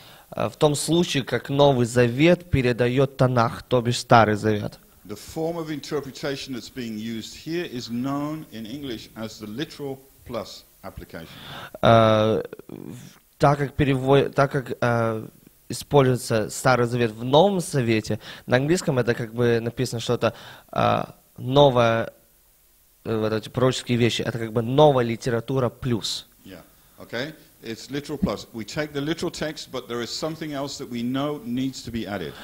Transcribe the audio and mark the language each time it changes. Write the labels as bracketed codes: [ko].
[ru] В том случае, как Новый Завет передает Танах, то бишь Старый Завет. [en] The form of interpretation that's being used here is known in English as the literal plus application. [ru] Используется Старый Завет в Новом Завете, на английском это как бы написано что-то новое, вот эти пророческие вещи, это как бы новая литература плюс. [en] Yeah. Okay. It's literal plus. We take the literal text, but there is something else that we know needs to be added.